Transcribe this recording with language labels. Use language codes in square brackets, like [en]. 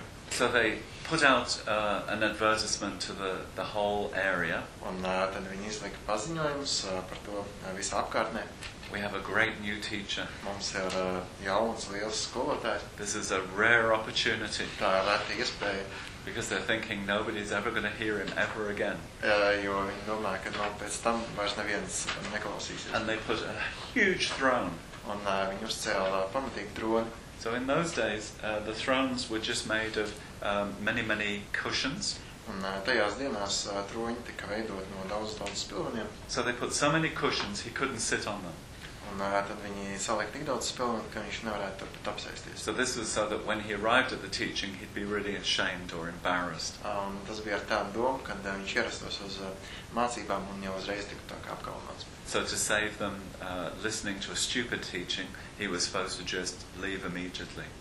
[en] So they put out an advertisement to the whole area. We have a great new teacher. [lv] Mums ir jauns, liels skolotājs. [en] This is a rare opportunity. [lv] Tā ir reta iespēja. [en] Because they're thinking nobody's ever going to hear him ever again. [lv] Jo viņi domā, ka no pēc tam vairs neviens neklausīsies. [en] And they put a huge throne. [lv] Un viņi uzcēla pamatīgu droni. [en] So in those days, the thrones were just made of many, many cushions. [lv] Un tajās dienās troņi tika veidot no daudz, daudz spilveniem. [en] So they put so many cushions, he couldn't sit on them. [lv] Un tad viņi salika tik daudz spilvenu, ka viņš nevarētu tur pat apsēsties. [en] So this was so that when he arrived at the teaching, he'd be really ashamed or embarrassed. [lv] Un tas bija ar tādu domu, kad viņš ierastos uz mācībām un jau uzreiz tiktu tā kā apkalnots. [en] So to save them listening to a stupid teaching, he was supposed to just leave immediately.